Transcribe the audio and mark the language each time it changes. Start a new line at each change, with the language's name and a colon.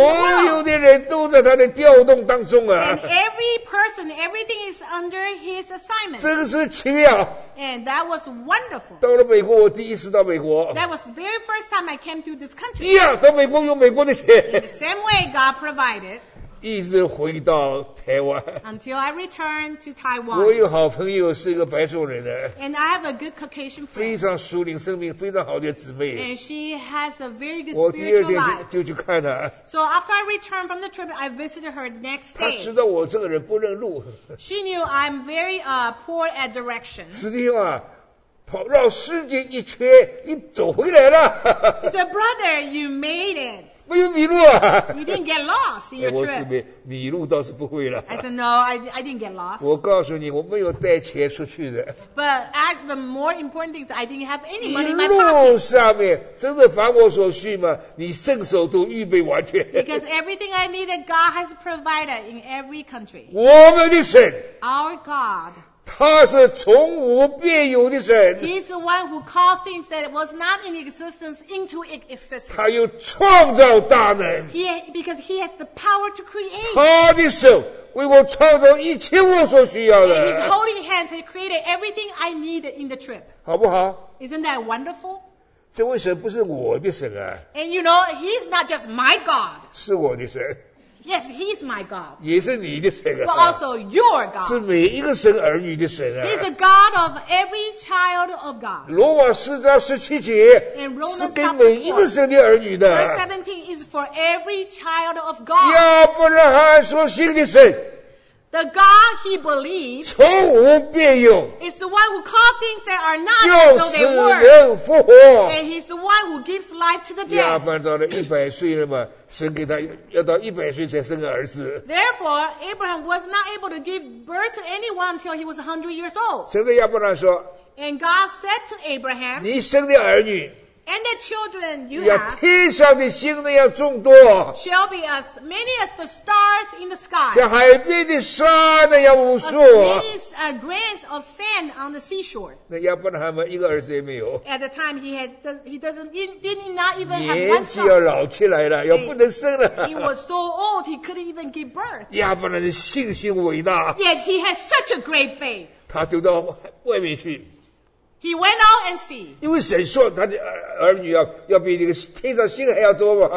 English: world.
Chinese: 所有的人都在他的调动当中啊。
English: And every person, everything is under his assignment.
Chinese: 真是奇妙。
English: And that was wonderful.
Chinese: 到了美国，我第一次到美国。
English: That was the very first time I came to this country.
Chinese: 一样，到美国用美国的钱。
English: In the same way God provided.
Chinese: 一直回到台湾。
English: Until I return to Taiwan.
Chinese: 我有好朋友是一个白种人的。
English: And I have a good Caucasian friend.
Chinese: 非常属灵生命非常好的姊妹。
English: And she has a very good spiritual life.
Chinese: 我第二天就去看她。
English: So after I returned from the trip, I visited her the next day.
Chinese: 她知道我这个人不认路。
English: She knew I'm very poor at direction.
Chinese: 实际上啊跑绕世界一圈你走回来了。
English: She said, Brother, you made it.
Chinese: 没有迷路啊
English: ！You didn't get lost in your trip.
Chinese: 我姊妹迷路倒是不会了。
English: I said no, I didn't get lost.
Chinese: 我告诉你，我没有带钱出去的。
English: But as the more important things, I didn't have any money in my pocket.
Chinese: 一路上面，真是凡我所需嘛，你圣手都预备完全。
English: Because everything I needed, God has provided in every country.
Chinese: 我们的神
English: ，Our God，
Chinese: 他是从无变有的神。
English: He's the one who calls things that was not in existence into existence.
Chinese: 他有创造大能。
English: Because he has the power to create.
Chinese: 他的手为我创造一切我所需要的。
English: And his holy hands have created everything I needed in the trip.
Chinese: 好不好
English: ？Isn't that wonderful？
Chinese: 这位神不是我的神啊。
English: And you know, he's not just my God.
Chinese: 是我的神。
English: Yes, he is my God.
Chinese: 也是你的神啊。
English: But also your God.
Chinese: 是每一个神儿女的神啊。
English: He is a God of every child of God.
Chinese: 罗马四章十七节是给每一个神的儿女的。
English: Verse 17 is for every child of God.
Chinese: 亚伯拉罕所信的神。
English: The God he believes
Chinese: 从无变有
English: is the one who called things that are not, though they were.
Chinese: 叫死人复活
English: And he's the one who gives life to the dead.
Chinese: 亚伯到了一百岁了嘛，神给他要到一百岁才生个儿子。
English: Therefore, Abraham was not able to give birth to anyone until he was 100 years old.
Chinese: 神对亚伯拉罕说
English: And God said to Abraham,
Chinese: 你生的儿女
English: and the children you
Chinese: have 天上的星那样众多
English: shall be as many as the stars in the sky
Chinese: 像海边的沙那样无数
English: as many as grains of sand on the seashore
Chinese: 那亚伯拉罕一个儿子也没有
English: at the time he didn't even have one son
Chinese: 年纪要老起来了要不能生了
English: he was so old he couldn't even give birth
Chinese: 亚伯拉罕的信心伟大
English: yet he had such a great faith
Chinese: 他丢到外面去
English: He went out and see.
Chinese: 因为神说他的 儿女 要比那个天上星还要多嘛。